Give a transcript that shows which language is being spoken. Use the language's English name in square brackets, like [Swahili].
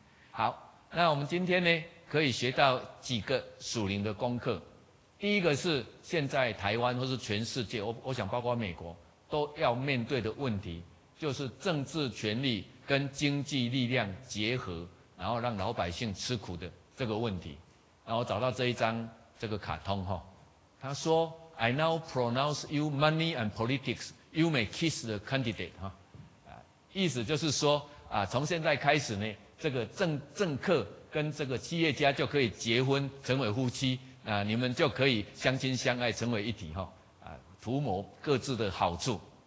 [Chinese] 好，那我们今天呢可以学到几个属灵的功课。第一个是现在台湾或是全世界， 我想包括美国都要面对的问题，就是政治权力跟经济力量结合然后让老百姓吃苦的这个问题。然后找到这一张这个卡通，他说 [English] I now pronounce you money and politics, you may kiss the candidate。 [Chinese] 意思就是说啊，从现在开始呢，这个政客跟这个企业家就可以结婚成为夫妻啊，你们就可以相亲相爱成为一体，图谋各自的好处。